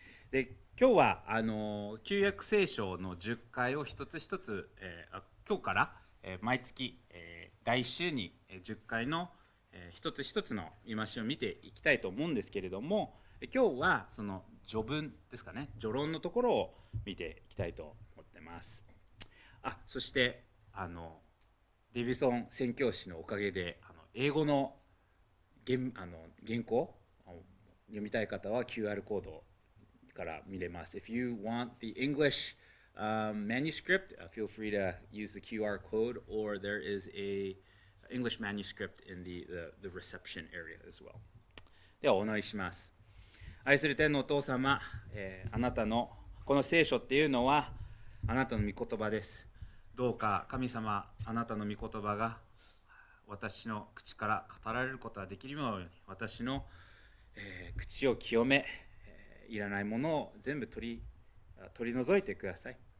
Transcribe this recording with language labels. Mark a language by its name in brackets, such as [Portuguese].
[Japanese] で、今日は旧約聖書の10回を一つ一つ、今日から、毎月、来週に10回の、一つ一つの戒を見ていきたいと思うんですけれども、今日はその序文ですかね、序論のところを見ていきたいと思ってます。そしてデビソン宣教師のおかげで英語の原稿を読みたい方は QR コードから見れます。 [English] If you want the English manuscript, feel free to use the QR code, or there is a English manuscript in the reception area as well. [Japanese] ではお祈りします。愛する天のお父様、あなたのこの聖書っていうのはあなたの御言葉です。どうか神様、あなたの御言葉が私の口から語られることができるように、私の、口を清め、いらないものを全部取り除いてください。